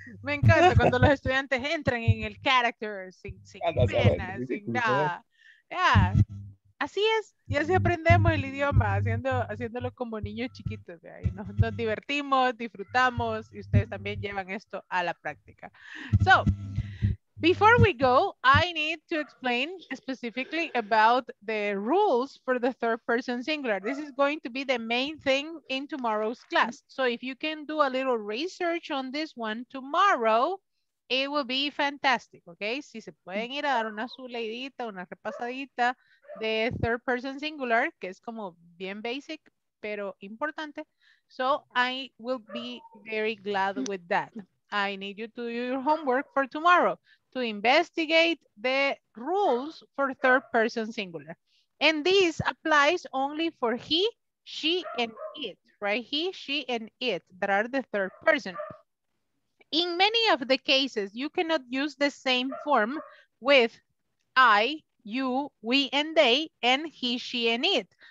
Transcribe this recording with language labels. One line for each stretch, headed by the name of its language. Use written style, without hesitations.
Spanish: Me encanta cuando los estudiantes entran en el character sin pena, sin nada. Yeah. Así es, y así aprendemos el idioma, haciéndolo como niños chiquitos. ¿Ya? Y nos divertimos, disfrutamos, y ustedes también llevan esto a la práctica.
English: So, before we go, I need to explain specifically about the rules for the third person singular. This is going to be the main thing in tomorrow's class. So if you can do a little research on this one tomorrow, it will be fantastic, okay?
Spanish: Si se pueden ir a dar una subleidita, una repasadita de third person singular, que es como bien basic, pero importante.
English: So I will be very glad with that. I need you to do your homework for tomorrow to investigate the rules for third person singular. And this applies only for he, she, and it, right? He, she, and it, that are the third person. In many of the cases, you cannot use the same form with I, you, we, and they, and he, she, and it.